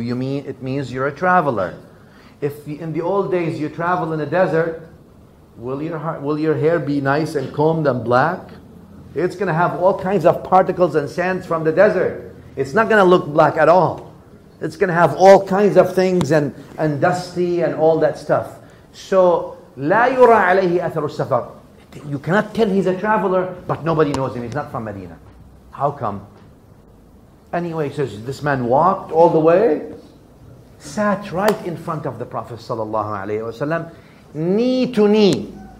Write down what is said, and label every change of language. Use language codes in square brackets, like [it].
[en] It means you're a traveler. If in the old days you travel in a desert, will your hair be nice and combed and black? It's going to have all kinds of particles and sands from the desert. It's not going to look black at all. It's going to have all kinds of things and dusty and all that stuff. [ar] So, لا يرى عليه أثر السفر. [en] You cannot tell he's a traveler, but nobody knows him. He's not from Medina. How come? Anyway, he says, this man walked all the way, sat right in front of the Prophet ﷺ, knee to knee.